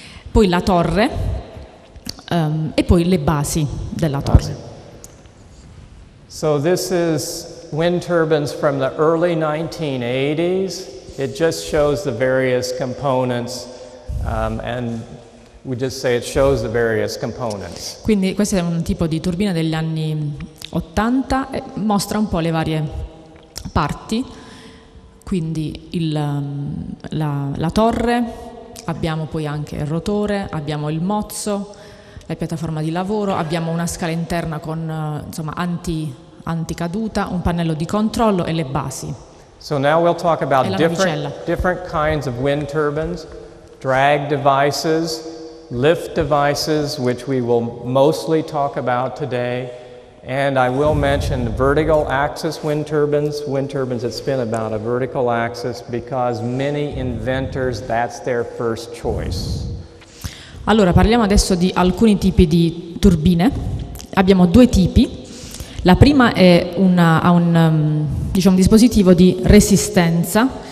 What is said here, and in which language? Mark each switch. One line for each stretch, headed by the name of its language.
Italian: poi la torre e poi le basi della torre.
English: So this is wind turbines from the early 1980s. It just shows the various components, and we just say it shows the various components.
Italian: Quindi questo è un tipo di turbina degli anni 80, mostra un po' le varie parti, Quindi la torre, abbiamo poi anche il rotore, abbiamo il mozzo, la piattaforma di lavoro, abbiamo una scala interna con insomma anticaduta, un pannello di controllo e le basi.
English: So now we'll talk about different kinds of wind turbines, drag devices, lift devices, which we will mostly talk about today. And I will mention vertical axis wind turbines that spin about a vertical axis, because many inventors, that's their first choice.
Italian: Allora, parliamo adesso di alcuni tipi di turbine. Abbiamo due tipi. La prima è un dispositivo di resistenza.